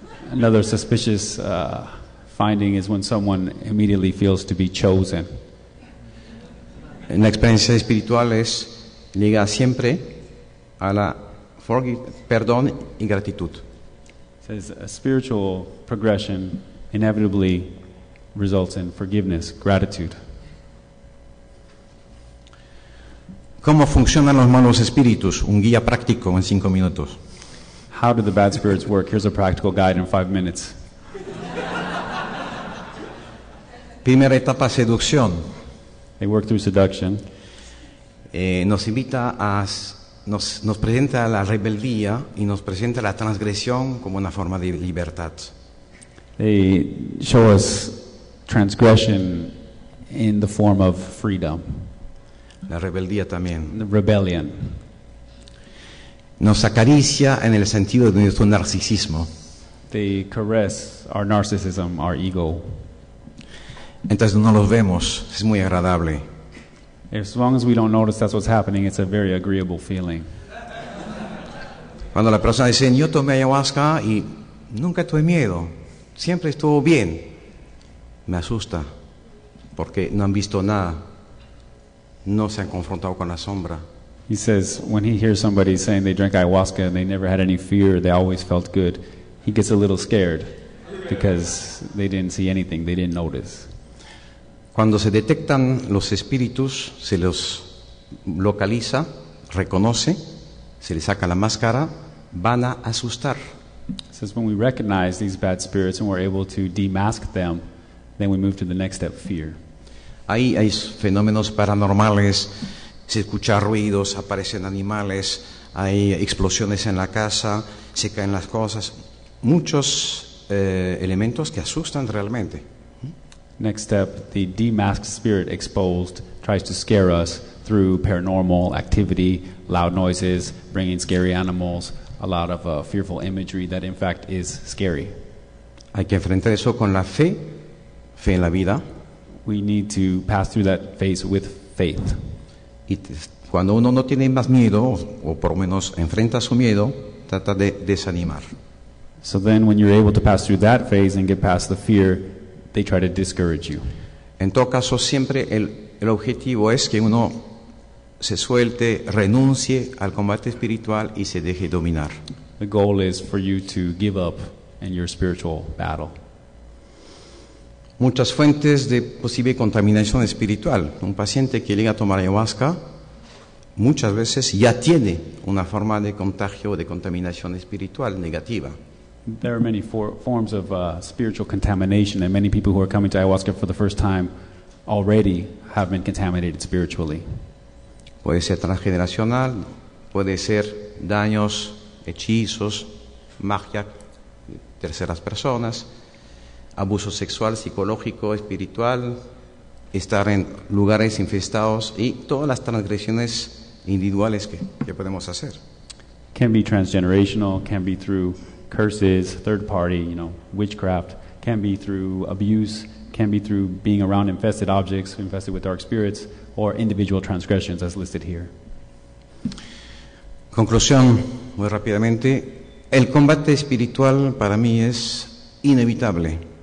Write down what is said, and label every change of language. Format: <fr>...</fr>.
<en>Another suspicious finding is when someone immediately feels to be chosen.</en> <es>La experiencia espiritual es liga siempre a la perdón y gratitud.</es> <en>Says a spiritual progression inevitably results in forgiveness, gratitude.</en> <es>¿Cómo funcionan los malos espíritus? Un guía práctico en 5 minutos.</es> <en>How do the bad spirits work? Here's a practical guide in 5 minutes.</en> <es>Primera etapa, seducción.</es> <en>They work through seduction.</en> <es>Nos invita a, nos presenta la rebeldía y nos presenta la transgresión como una forma de libertad.</es> <en>They show us transgression in the form of freedom.</en> <es>La rebeldía también.</es> <en>The rebellion.</en> <es>Nos acaricia en el sentido de nuestro narcisismo.</es> <en>They caress our narcissism, our ego.</en> <es>Entonces no los vemos, es muy agradable.</es> <en>As long as we don't notice that's what's happening, it's a very agreeable feeling.</en> <es>Cuando la persona dice, yo tomé ayahuasca y nunca tuve miedo, siempre estuvo bien, me asusta porque no han visto nada, no se han confrontado con la sombra.</es> <en>He says, when he hears somebody saying they drank ayahuasca and they never had any fear, they always felt good, he gets a little scared. because they didn't see anything, they didn't notice.</en> <es>Cuando se detectan los espíritus, se los localiza, reconoce, se les saca la máscara, van a asustar.</es> <en>It says when we recognize these bad spirits and we're able to demask them, then we move to the next step, fear.</en> <es>Ahí hay fenómenos paranormales, se escucha ruidos, aparecen animales, hay explosiones en la casa, se caen las cosas, muchos elementos que asustan realmente.</es> <en>Next step, the demasked spirit exposed tries to scare us through paranormal activity, loud noises, bringing scary animals, a lot of fearful imagery that in fact is scary.</en> <es>Hay que enfrentar eso con la fe, fe en la vida.</es> <en>We need to pass through that phase with faith.</en> <es>Y cuando uno no tiene más miedo, o por lo menos enfrenta su miedo, trata de desanimar.</es> <en>So then when you're able to pass through that phase and get past the fear, they try to discourage you.</en> <es>En todo caso, siempre el objetivo es que uno se suelte, renuncie al combate espiritual y se deje dominar.</es> <en>The goal is for you to give up in your spiritual battle.</en> <es>Muchas fuentes de posible contaminación espiritual. Un paciente que llega a tomar ayahuasca, muchas veces ya tiene una forma de contagio o de contaminación espiritual negativa.</es> <en>There are many forms of spiritual contamination, and many people who are coming to ayahuasca for the first time already have been contaminated spiritually.</en> <es>Puede ser transgeneracional, puede ser daños, hechizos, magia, terceras personas, abuso sexual, psicológico, espiritual, estar en lugares infestados y todas las transgresiones individuales que podemos hacer.</es> <en>Can be transgenerational, can be through curses, third party, you know, witchcraft, can be through abuse, can be through being around infested objects, infested with dark spirits, or individual transgressions as listed here.</en> <es>Conclusión, muy rápidamente, el combate espiritual para mí es inevitable.</es>